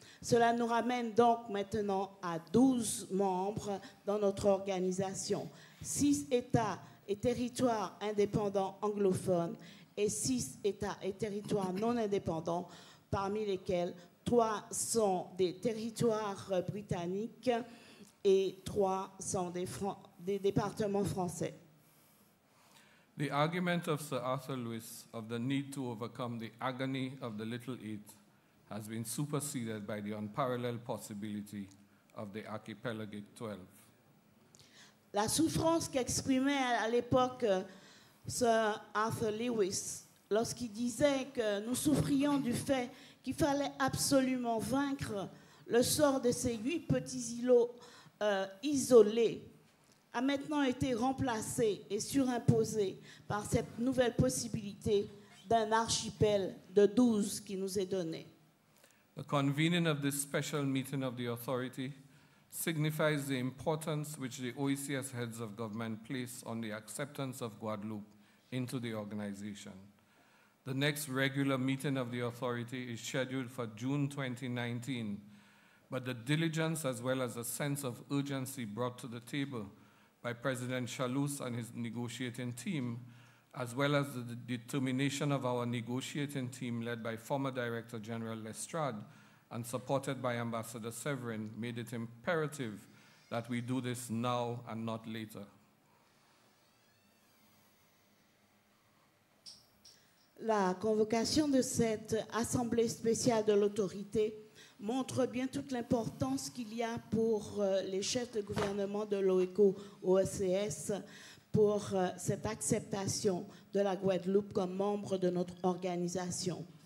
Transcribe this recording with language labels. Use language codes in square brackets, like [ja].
[fr] Cela nous ramène donc maintenant à 12 membres dans notre organisation, 6 États et territoires indépendants anglophones et 6 États et territoires non indépendants, parmi lesquels 3 sont des territoires britanniques et 3 sont des départements français. [en] The argument of Sir Arthur Lewis of the need to overcome the agony of the little eight has been superseded by the unparalleled possibility of the archipelagic 12. [fr] La souffrance qu'exprimait à l'époque Sir Arthur Lewis lorsqu'il disait que nous souffrions du fait qu'il fallait absolument vaincre le sort de ces 8 petits îlots isolés a maintenant été remplacé et surimposé par cette nouvelle possibilité d'un archipel de 12 qui nous est donné. [en] The convening of this special meeting of the authority signifies the importance which the OECS heads of government place on the acceptance of Guadeloupe into the organization. The next regular meeting of the authority is scheduled for June 2019, but the diligence as well as a sense of urgency brought to the table by President Chalus and his negotiating team, as well as the determination of our negotiating team led by former Director General Lestrade and supported by Ambassador Severin, made it imperative that we do this now and not later. [fr] La convocation de cette Assemblée spéciale de l'autorité montre bien toute l'importance qu'il y a pour les chefs de gouvernement de l'OECO-OECS pour cette acceptation de la Guadeloupe comme membre de notre organisation.